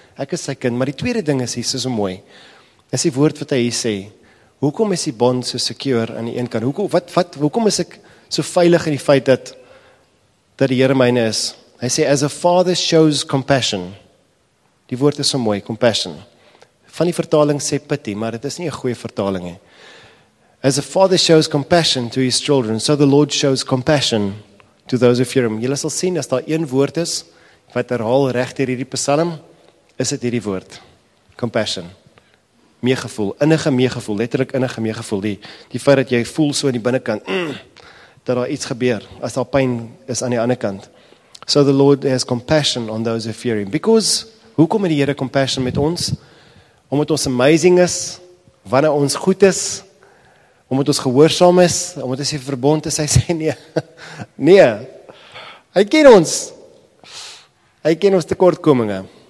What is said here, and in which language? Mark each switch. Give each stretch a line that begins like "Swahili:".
Afrikaans: Ek is sy kind, maar die tweede ding is hier so mooi. Is die woord wat hy hier sê, hoekom is die bond so secure aan die een kant? Hoekom is ek so veilig in die feit dat die Here myne is? Hy sê,
English: as a father shows compassion.
Afrikaans: Die woord is so mooi, compassion. Van die vertaling sê pity, maar dit is nie 'n goeie vertaling nie.
English: As a father shows compassion to his children, so the Lord shows compassion to those who fear him.
Afrikaans: Julle sal sien, as daar een woord is, wat herhaal reg deur hierdie psalm, is dit hierdie woord. Compassion. Meegevoel, innige meegevoel, letterlik innige meegevoel. Die feit dat jy voel so in die binnekant, dat daar iets gebeur, as daar pyn is aan die ander kant.
English: So the Lord has compassion on those who fear him.
Afrikaans: Because, hoekom het die Here compassion met ons? Omdat ons amazing is, wanneer ons goed is, omdat ons gehoorsaam is, omdat ons hier verbond is, hy sê nee. Nee, hy ken ons tekortkominge.